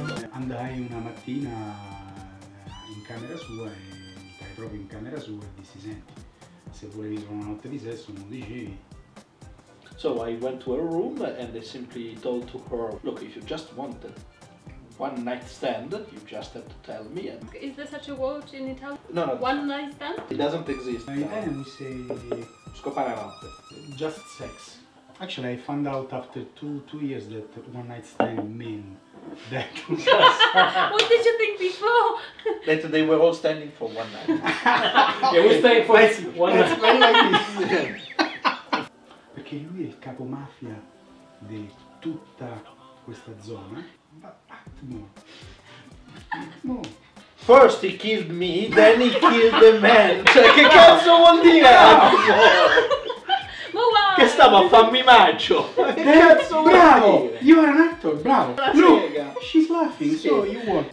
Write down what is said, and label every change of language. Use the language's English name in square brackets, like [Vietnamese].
[Italian] andai una mattina in camera sua e stai proprio in camera sua e dissi senti, se volevi solo una notte di sesso non dicevi. [English] So I went to her room and I simply told to her, look, if you just want one night stand, you just have to tell me. And is there such a word in Italian? No, no. One night stand? It doesn't exist. In Italian we say... [Italian] Scopare notte. [English] Just sex. Actually, I found out after two years that one night stand mean that. What did you think before? That they were all standing for one night. Yeah, we stay for one night. Explain like this. [Italian] Perché lui è il capo mafia di tutta questa zona. [English] No. First he killed me, then he killed the man. [Italian] Cioè che cazzo vuol dire? No. Che stava a farmi macho? Che cazzo vuol dire? Bravo! [English] You are an actor, bravo! Look, she's laughing, sì. So you won.